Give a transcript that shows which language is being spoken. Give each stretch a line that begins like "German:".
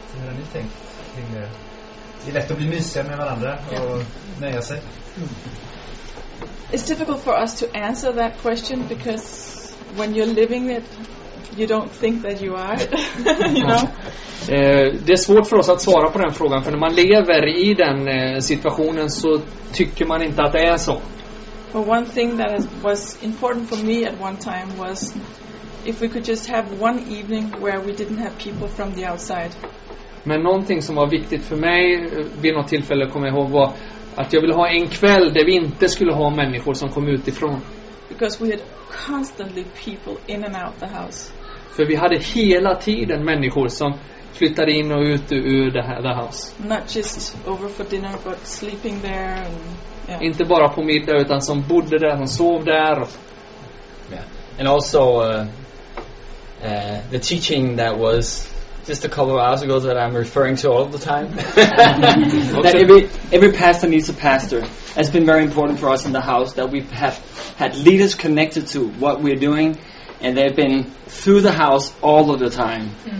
Swedish: Hur har ni tänkt kring det? Det är lätt att bli mysiga med varandra och nöja sig.
English: It's difficult for us to answer that question because when you're living it, you don't think that you are. You know?
Swedish: Det är svårt för oss att svara på den frågan, för när man lever i den situationen så tycker man inte att det är så.
English: But one thing that was important for me at one time was if we could just have one evening where we didn't have people from the outside.
Swedish: Men någonting som var viktigt för mig vid något tillfälle, kommer jag ihåg, var att jag ville ha en kväll där vi inte skulle ha människor som kom utifrån.
English: Because we had constantly people in and out the house.
Swedish: För vi hade hela tiden människor som flyttade in och ut ur det här, the house.
English: Not just over for dinner, but sleeping there. And, yeah.
Swedish: Inte bara på middag, utan som bodde där, som sov där.
English: Yeah. And also the teaching that was just a couple of hours ago that I'm referring to all the time. That every pastor needs a pastor has been very important for us in the house, that we have had leaders connected to what we're doing, and they've been through the house all of the time.